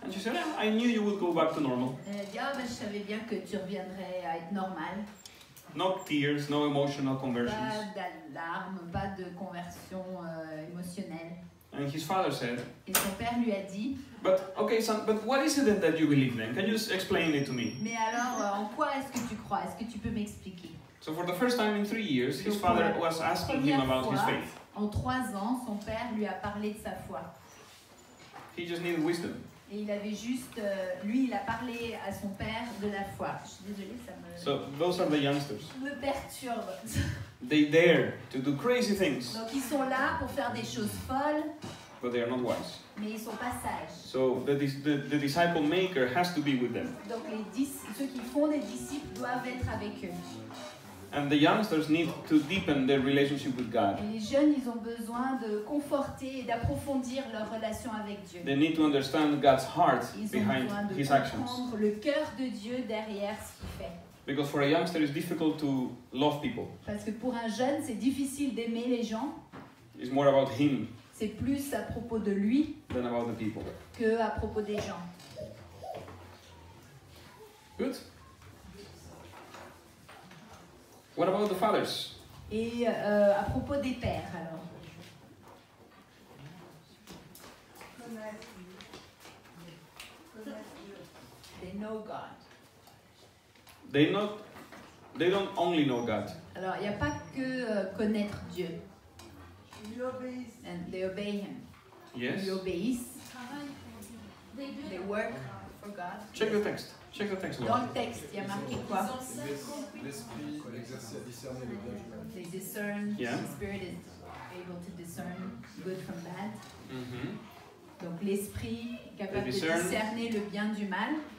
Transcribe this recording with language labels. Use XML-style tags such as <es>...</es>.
<en>And she said, I knew you would go back to normal.</en> <fr>Je savais bien que tu reviendrais à être normal.</fr> <en>No tears, no emotional conversions.</en> <fr>Pas d'alarmes, pas de conversion émotionnelle.</fr> <en>And his father said.</en> <fr>Et son père lui a dit.</fr> <en>But okay, son, but what is it that you believe then? Can you just explain it to me?</en> <fr>Mais alors, en quoi est-ce que tu crois? Est-ce que tu peux m'expliquer?</fr> <en>So for the first time in 3 years, his father was asking him about his faith.</en> <fr>En 3 ans, son père lui a parlé de sa foi.</fr> <en>He just needed wisdom.</en> <fr>Et il avait juste, lui, il a parlé à son père de la foi. Je suis désolée, ça me.</fr> <en>So those are the youngsters.</en> <fr>Me perturbe.</fr> <en>They dare to do crazy things.</en> <fr>Donc ils sont là pour faire des choses folles.</fr> <en>But they are not wise.</en> <fr>Mais ils sont pas sages.</fr> <en>So the disciple maker has to be with them.</en> <fr>Donc les ceux qui font des disciples doivent être avec eux.</fr> <en>And the youngsters need to deepen their relationship with God.</en> <fr>Et les jeunes, ils ont besoin de conforter et d'approfondir leur relation avec Dieu.</fr> <en>They need to understand God's heart behind his actions.</en> <fr>Ils ont besoin de comprendre le cœur de Dieu derrière ce qu'il fait.</fr> <en>Because for a youngster, it's difficult to love people.</en> <fr>Parce que pour un jeune, c'est difficile d'aimer les gens.</fr> <en>It's more about him.</en> <fr>C'est plus à propos de lui.</fr> <en>Than about the people.</en> <fr>Que à propos des gens.</fr> <en>Good. What about the fathers?</en> <fr>Et à propos des pères, alors.</fr> <en>They know God. They don't only know God.</en> <fr>Alors, il n'y a pas que connaître Dieu. Ils obéissent.</fr> <en>And they obey him. Yes.</en> <fr>Ils obéissent.</fr> <en>They work for God. Check the text. Check the text.</en> <fr>Dans le texte, il y a marqué quoi? L'esprit exerce à discerner le bien du mal.</fr> <en>They discern. Yeah. The spirit is able to discern good from bad. Mm-hmm.</en> <fr>Donc l'esprit capable de discerner le bien du mal.</fr>